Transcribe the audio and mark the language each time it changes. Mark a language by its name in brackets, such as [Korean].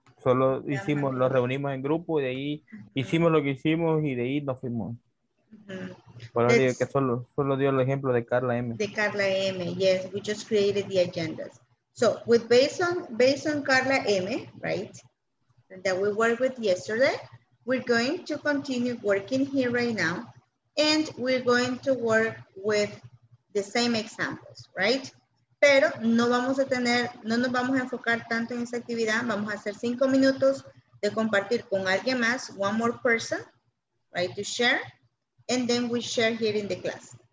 [Spanish] Solo hicimos, lo reunimos en grupo y de ahí hicimos lo que hicimos y de ahí nos fuimos. Por eso digo que solo dio el ejemplo de Carla M. [English] De Carla M, yes, we just created the agendas. So, with based on Carla M, right, that we worked with yesterday, we're going to continue working here right now and we're going to work with the same examples, right? [Spanish] Pero no vamos a tener, no nos vamos a enfocar tanto en esa actividad. Vamos a hacer 5 minutos de compartir con alguien más, [English] one more person, right, to share. And then we share here in the class.